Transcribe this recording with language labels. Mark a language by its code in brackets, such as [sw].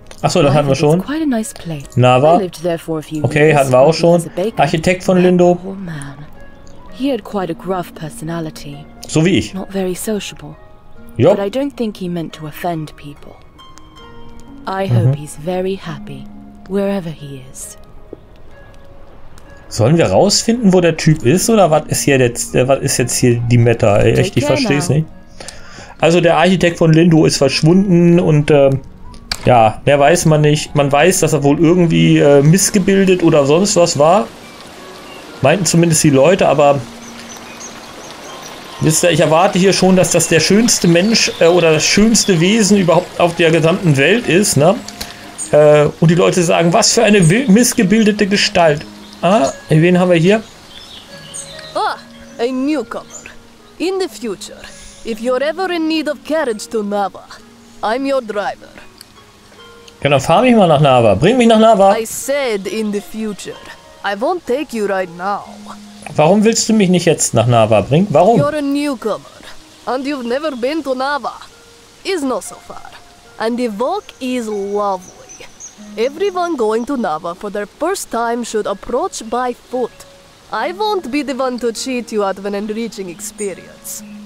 [de] Achso, das hatten wir schon. Nava. Okay, hatten wir auch schon. Architekt von Lindo. [en] He had quite a gruff personality. [de] So wie ich. [en] Not very sociable. Yep. But I don't think he meant to offend people. I hope he's very happy, wherever he is. [de] Sollen wir rausfinden, wo der Typ ist, oder was ist hier jetzt? Was ist jetzt hier die Meta? Ey? Echt, ich verstehe es nicht. Also der Architekt von Lindo ist verschwunden und ja, mehr weiß man nicht. Man weiß, dass er wohl irgendwie missgebildet oder sonst was war. Meinten zumindest die Leute, aber wisst ihr, ich erwarte hier schon, dass das der schönste Mensch oder das schönste Wesen überhaupt auf der gesamten Welt ist, ne? Und die Leute sagen, was für eine missgebildete Gestalt. Ah, wen haben wir hier? [en] Ah, a newcomer. In the future, if you're ever in need of carriage to Nava, I'm your driver. [de] Ja, dann fahr mich mal nach Nava. Bring mich nach Nava. [en] I said in the future. I won't take you right now. [de] Warum willst du mich nicht jetzt nach Nava bringen? Warum? [en] You're a newcomer. And you've never been to Nava. It's not so far. And the walk is lovely. Everyone going to Nava for their first time should approach by foot. I won't be the one to cheat you out of an enriching experience.